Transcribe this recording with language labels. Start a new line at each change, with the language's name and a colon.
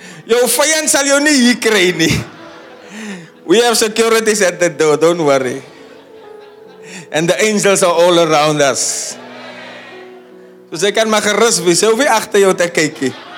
Afrikaans: Jou vijand sal jou nie hier kry nie.
English: We have securities at the door, don't worry. And the angels are all around us.
Afrikaans: So sy kan maar gerus wees, sy hoef nie achter jou te kyk.